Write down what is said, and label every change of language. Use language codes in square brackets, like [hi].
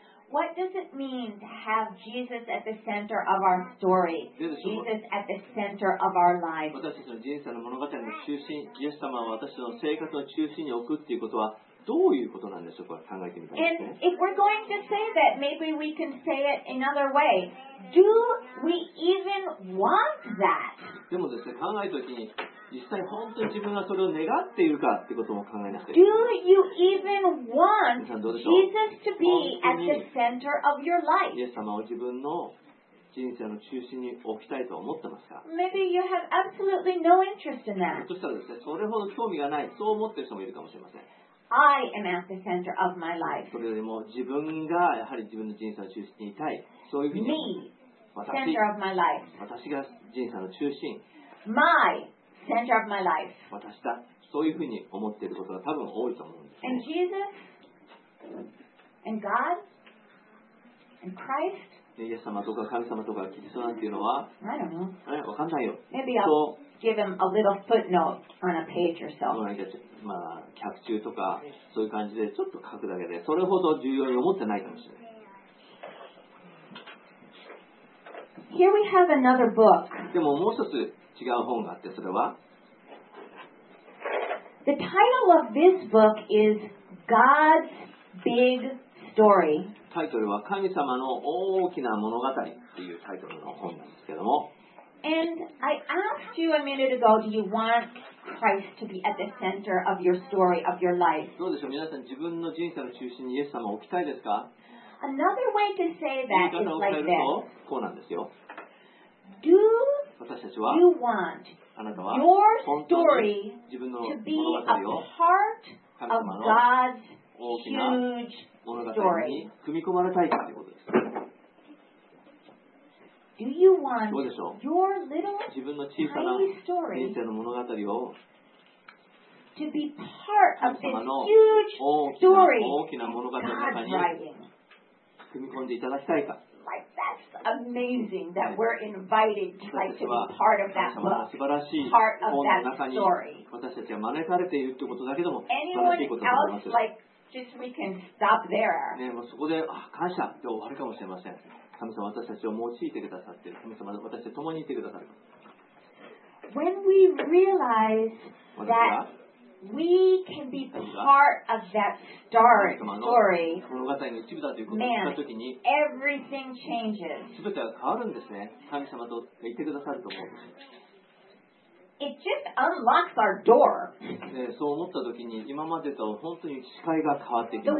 [en] What does it mean to have Jesus at the center of our story? Jesus at the center of our lives. [ja] 私たちの人生の物語の中心、イエス様を私の生活の中心に置くっていうことはどういうことなんでしょうか？考えてみたいですね。 [en] And if we're going to say that, maybe we can say it another way. Do we even want that? [ja] でもですね、考えるときに実際本当に自分がそれを願っているかってことも考えなくて。 [en] Do you even want Jesus to be at the center of your life? [ja] イエス様を自分の人生の中心に置きたいと思ってますか [en] Maybe you have absolutely no interest in that. [ja] そしたらですね、それほど興味がない、そう思っている人もいるかもしれません。 [en] I am at the center of my life. [ja] それよりも自分がやはり自分の人生の中心にいたい。そういうふうに。 [en] Me, center of my life. [ja] 私が人生の中心。 [en] My. Center of my life. [ja] 私だ。そういうふうに思っていることが多分多いと思うんです、ね。 [en] And Jesus, and God, and Christ. [ja] イエス様とか神様とかキリストなんていうのは、わかんないよ。 [en] Maybe I'll give him a little footnote on a page or so. [ja] まあ、脚注とかそういう感じでちょっと書くだけで、それほど重要に思ってないかもしれない。 [en] Here we have another book. [ja] でももう一つ違う本があって、それは [en] The title of this book is God's Big Story. [ja] タイトルは神様の大きな物語っていうタイトルの本なんですけども。 [en] And I asked you a minute ago, do you want Christ to be at the center of your story, of your life? [ja] どうでしょう、皆さん自分の人生の中心にイエス様を置きたいですか？ [en] Another way to say that is like this. [ja] こうなんですよ。 [en] Do [ja] 私たちは、 [en] you want your story to be a part of God's huge story? [ja] 組み込まれたいかということです。 [en] Do you want [ja] どうでしょう [en] your little [ja] 自分の小さな人生の物語を [en] to be part of this huge story [ja] 大きな物語の中に組み込んでいただきたいか。 [en] Like, that's amazing that we're invited to, like, to be part of that book, [ja] 素晴らしい [en] part of that story. [ja] 私たちは招かれているということだけでも素晴らしいことだと思います。 [en] Anyone else, like, just we can stop there.、 [ja] ね、もうそこで、あ、感謝って終わるかもしれません。神様私たちを用いてくださっている。神様私たちと共にいてくださる。 [en] When we realize that we can be part of that story, [ja] 神様の物語の一部だということを知ったときに、 [en] everything changes. [ja] 全てが変わるんですね。神様といてくださると思う。 [en] It just unlocks our door. [ja] そう思ったときに、今までと本当に視界が変わってきます。